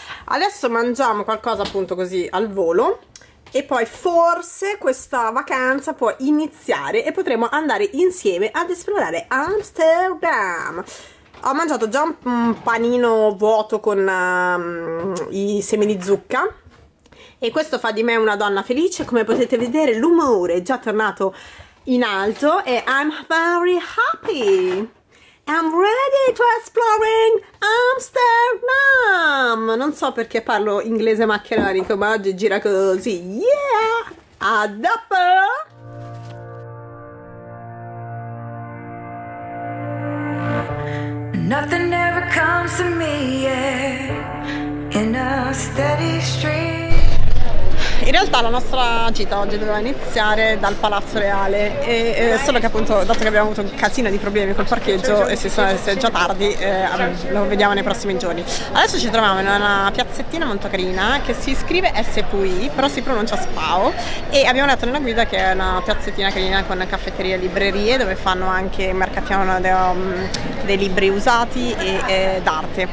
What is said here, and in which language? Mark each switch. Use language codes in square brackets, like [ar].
[it] Adesso mangiamo qualcosa appunto così al volo e poi forse questa vacanza può iniziare e potremo andare insieme ad esplorare Amsterdam. Ho mangiato già un panino vuoto con i semi di zucca. E questo fa di me una donna felice, come potete vedere l'umore è già tornato in alto e [en] I'm very happy. I'm ready to explore Amsterdam. [it] Non so perché parlo inglese maccheronico, ma oggi gira così. Yeah! A dopo! [en] Nothing ever comes to me, yeah, in a steady stream. [it] In realtà la nostra gita oggi doveva iniziare dal Palazzo Reale e solo che appunto, dato che abbiamo avuto un casino di problemi col parcheggio e se è già tardi, lo vediamo nei prossimi giorni. Adesso ci troviamo in una piazzettina molto carina che si scrive SPI, però si pronuncia SPAO, e abbiamo letto nella guida che è una piazzettina carina con caffetterie e librerie dove fanno anche mercatino dei libri usati e d'arte.